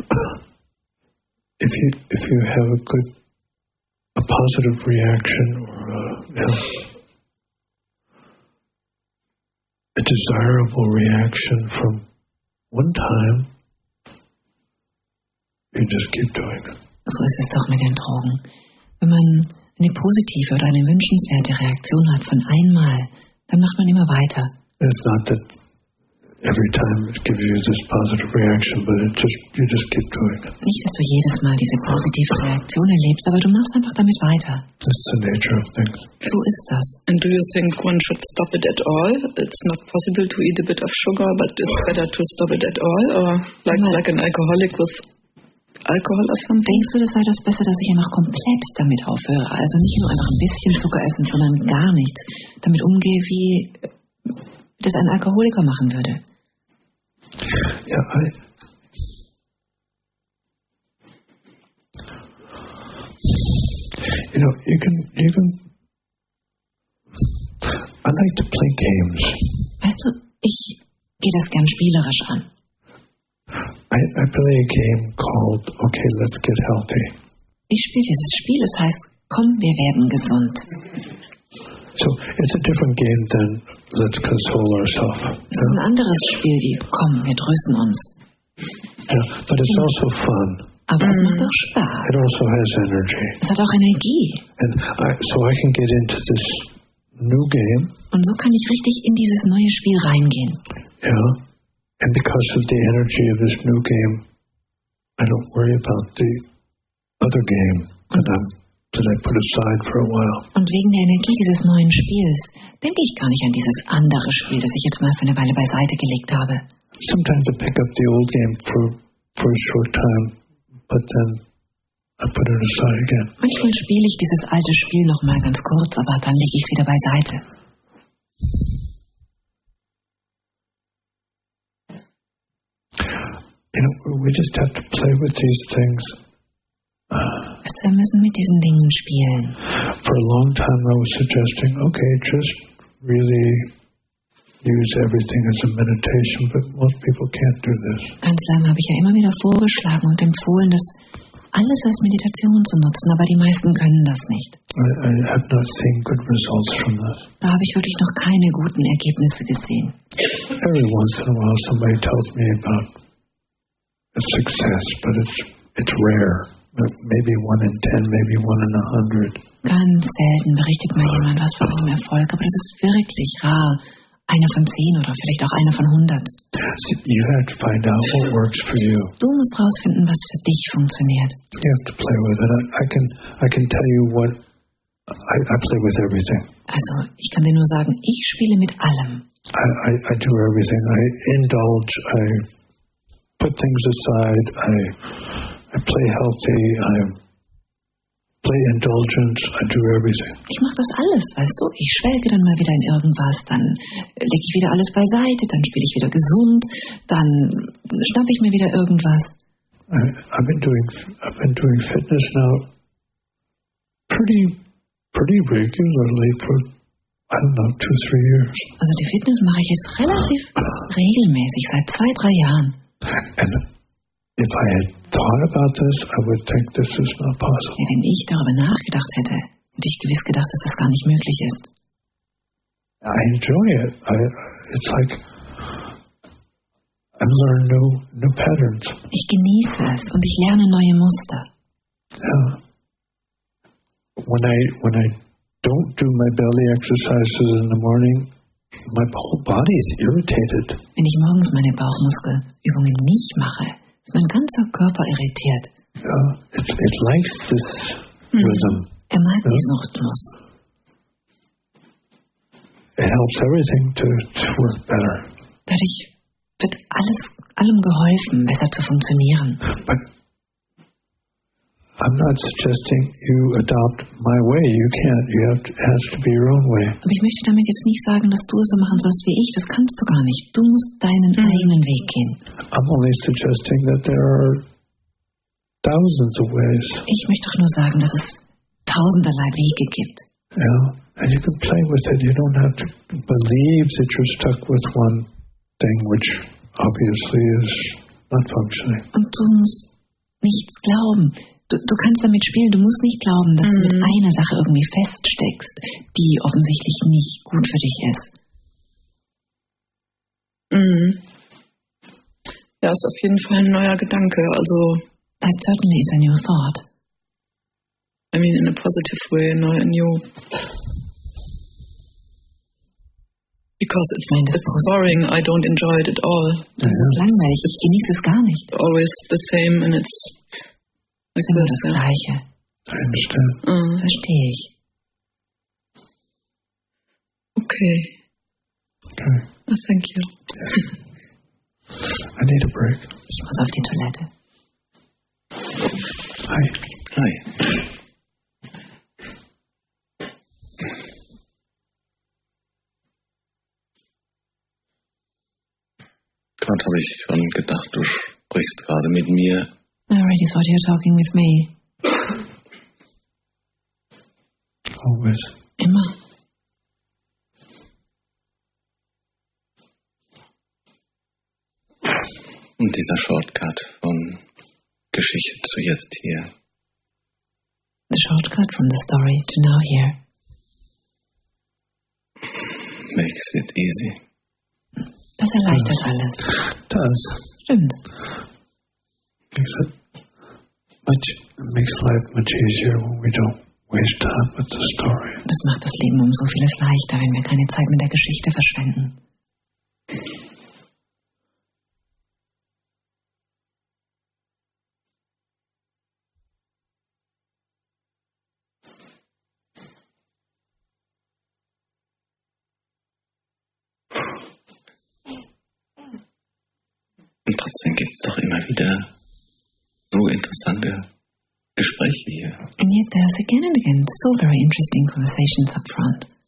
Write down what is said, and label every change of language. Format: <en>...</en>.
<en>if you have a positive reaction or a desirable reaction from one time, you just keep doing it.</en> <de>So ist es doch mit den Drogen. Wenn man eine positive oder eine wünschenswerte Reaktion hat von einmal, dann macht man immer weiter.</de> <en>It's not that every time it gives you this positive reaction, but it just, you just keep doing it.</en> <de>Nicht, dass du jedes Mal diese positive Reaktion erlebst, aber du machst einfach damit weiter.</de> <en>That's the nature of things.</en> <de>So ist das.</de> <en>And do you think one should stop it at all? It's not possible to eat a bit of sugar, but it's better to stop it at all? Or like an alcoholic with alcohol or something?</en> <de>Denkst du, das sei das besser, dass ich einfach komplett damit aufhöre? Also nicht nur einfach ein bisschen Zucker essen, sondern gar nicht damit umgehe, wie das ein Alkoholiker machen würde?</de> <en>Ja, I like to play games.</en> <de>Weißt du, ich gehe das gern spielerisch an.</de> <en>I play a game called Okay, let's get healthy.</en> <de>Ich spiele dieses Spiel, es heißt Komm, wir werden gesund.</de> <en>So, it's a different game than Let's console ourselves.</en> <de>Es ist ein anderes Spiel, wie Komm, wir trösten uns.</de> <en>Yeah, but it's also fun.</en> <de>Aber es macht auch Spaß.</de> <en>It also has energy.</en> <de>Es hat auch Energie.</de> <en>And I can get into this new game.</en> <de>Und so kann ich richtig in dieses neue Spiel reingehen. Ja. Yeah.</de> <en>And because of the energy of this new game, I don't worry about the other game that I put aside for a while.</en> <de>Und wegen der Energie dieses neuen Spiels denke ich gar nicht an dieses andere Spiel, das ich jetzt mal für eine Weile beiseite gelegt habe.</de> <en>Sometimes I pick up the old game for a short time, but then I put it aside again.</en> <de>Manchmal spiele ich dieses alte Spiel noch mal ganz kurz, aber dann lege ich es wieder beiseite.</de> <en>You know, we just have to play with these things.</en> <de>Wir müssen mit diesen Dingen spielen.</de> <en>For a long time I was suggesting, okay, just really use everything as a meditation, but most people can't do this.</en> <de>Ganz lange habe ich ja immer wieder vorgeschlagen und empfohlen, das alles als Meditation zu nutzen, aber die meisten können das nicht.</de> <en>I have not seen good results from this.</en> <de>Da habe ich wirklich noch keine guten Ergebnisse gesehen.</de> <en>Every once in a while somebody tells me about a success, but it's rare. Maybe 1 in 10, maybe 1 in 100.</en> <de>Ganz selten berichtet mir jemand was von einem Erfolg, aber das ist wirklich rar. Einer von 10 oder vielleicht auch einer von 100.</de> <en>You have to find out what works for you.</en> <de>Du musst rausfinden, was für dich funktioniert.</de> <en>You have to play with it. I can tell you what I play with everything.</en> <de>Also, ich kann dir nur sagen, ich spiele mit allem.</de> <en>I do everything. I indulge. I put things aside. I play healthy. I play indulgence. I do everything.</en> <de>Ich mache das alles, weißt du? Ich schwelge dann mal wieder in irgendwas, dann lege ich wieder alles beiseite, dann spiele ich wieder gesund, dann schnappe ich mir wieder irgendwas.</de> <en>I've been doing fitness now pretty regularly for, I don't know, 2-3 years.</en> <de>Also die Fitness mache ich jetzt relativ regelmäßig seit 2-3 Jahren.</de> <en>And if I had thought about this, I would think this is not possible.</en> <de>Wenn ich darüber nachgedacht hätte, hätte ich gewiss gedacht, dass das gar nicht möglich ist.</de> <en>I enjoy it. It's like I learn new patterns.</en> <de>Ich genieße es und ich lerne neue Muster. Yeah.</de> <en>When I don't do my belly exercises in the morning, my whole body is irritated.</en> <de>Wenn ich morgens meine Bauchmuskelübungen nicht mache, ist mein ganzer Körper irritiert.</de> <en>Yeah, it likes this rhythm.</en> <de>Er mag diesen Rhythmus.</de> <en>It helps everything to work better.</en> <de>Dadurch wird allem geholfen, besser zu funktionieren.</de> <en>But I'm not suggesting you adopt my way. You can't. You have to, has to be your own way.</en> <de>Aber ich möchte damit jetzt nicht sagen, dass du es so machen sollst wie ich. Das kannst du gar nicht. Du musst deinen eigenen Weg gehen.</de> <en>I'm only suggesting that there are thousands of ways.</en> <de>Ich möchte doch nur sagen, dass es tausenderlei Wege gibt.</de> <en>Yeah, and you can play with it. You don't have to believe that you're stuck with one thing, which obviously is not functioning.</en> <de>Und du musst nichts glauben. Du kannst damit spielen, du musst nicht glauben, dass du mit einer Sache irgendwie feststeckst, die offensichtlich nicht gut für dich ist. Ja, ist auf jeden Fall ein neuer Gedanke, also...</de> <en>That certainly is a new thought. I mean, in a positive way, not a new... Because it's a bit boring, I don't enjoy it at all.</en> <de>Das ist langweilig, ich genieße es gar nicht.</de> <en>Always the same and it's...</en> <de>Es ist immer das Gleiche. Verstehe ich. Okay. Okay.</de> <en>Oh, thank you. Yeah. I need a break.</en> <de>Ich muss auf die Toilette. Hi. Hi. Gerade habe ich schon gedacht, du sprichst gerade mit mir.</de> <en>I already thought you were talking with me. Always.</en> <de>Immer. Und dieser Shortcut von Geschichte zu jetzt hier.</de> <en>The shortcut from the story to now here. Makes it easy.</en> <de>Das erleichtert das alles. Das. Stimmt.</de> <en>Makes life much easier when we don't waste time with the story.</en> <de>Das macht das Leben um so vieles leichter, wenn wir keine Zeit mit der Geschichte verschwenden. Und trotzdem gibt es doch immer wieder so interessante Gespräche hier.</de> <en>And yet there's again and again so very interesting conversations up front.</en>